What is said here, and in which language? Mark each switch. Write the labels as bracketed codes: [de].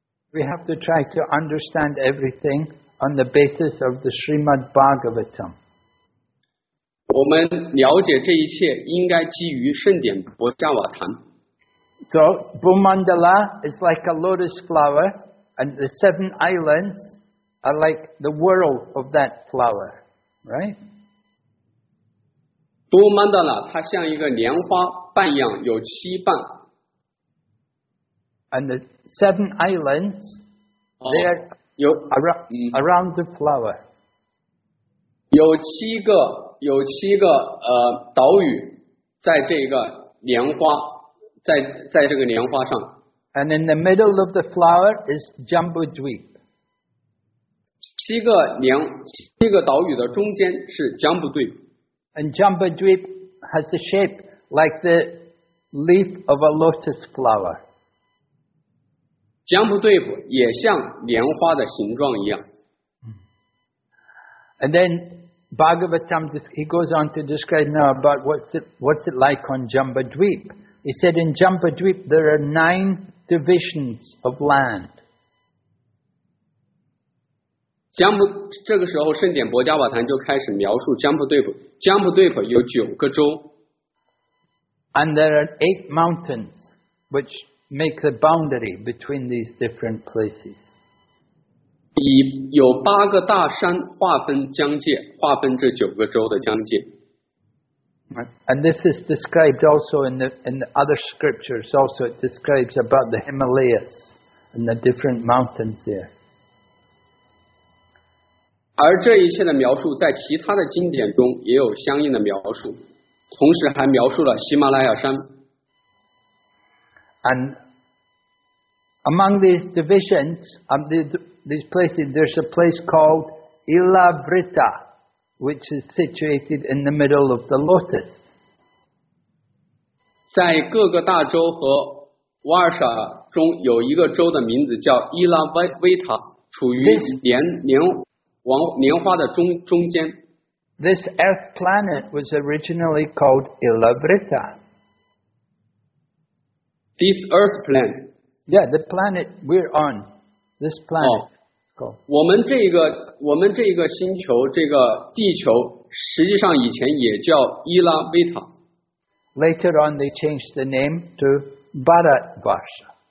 [en] We have to try to understand everything on the basis of the Srimad Bhagavatam. [zh] 我们了解这一切应该基于圣典博伽瓦坛。 [en] So, Bhumandala is like a lotus flower, and the seven islands are like the world of that flower, right? [zh] Bhumandala, 它像一个莲花瓣一样，有七瓣。 [en] And the seven islands, they are around the flower. [zh] 有七个岛屿在这个莲花在这个莲花上。 [en] And in the middle of the flower is Jambudvip. [zh] 七个岛屿的中间是 Jambudvip. [en] And Jambudvip has a shape like the leaf of a lotus flower. [zh] 江布对付也像莲花的形状一样。 [en] And then Bhagavatam, he goes on to describe now about what's it like on Jambudvip. He said in Jambudvip there are 9 divisions of land. [zh] 这个时候圣典博伽瓦坛就开始描述江布对付。江布对付有9个州。 [en] And there are 8 mountains which... make the boundary between these different places. [zh] 有八个大山划分疆界，划分这九个州的疆界。 [en] And this is described also in the other scriptures. Also, it describes about the Himalayas and the different mountains there. [zh] 而这一切的描述在其他的经典中也有相应的描述，同时还描述了喜马拉雅山。 [en] And among these divisions, these places, there's a place called Ilavrita, which is situated in the middle of the lotus. [zh] 在各个大洲和瓦尔沙中有一个州的名字叫 Ilavrita, 处于 莲莲花的中间。 [en] This earth planet was originally called Ilavrita. This earth planet. Yeah, the planet we're on. This planet. Oh, [zh] 我们这个星球，这个地球，实际上以前也叫伊拉维塔。 [en] Later on, they changed the name to Bharatvarsha.